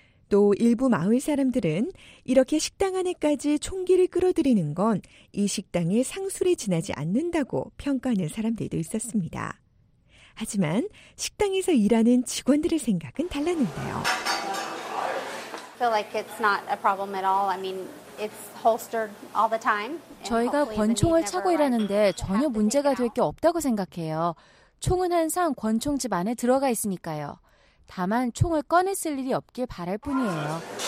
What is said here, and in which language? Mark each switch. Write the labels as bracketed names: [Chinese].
[Korean] 또 일부 마을 사람들은 이렇게 식당 안에까지 총기를 끌어들이는 건 이 식당의 상술에 지나지 않는다고 평가하는 사람들도 있었습니다. 하지만 식당에서 일하는 직원들의 생각은 달랐는데요. [English] I feel like it's not a problem at all. I mean, it's holstered all the time. [Korean] 저희가 권총을 차고 일하는데 전혀 문제가 될 게 없다고 생각해요. 총은 항상 권총집 안에 들어가 있으니까요. 다만 총을 꺼냈을 일이 없길 바랄 뿐이에요.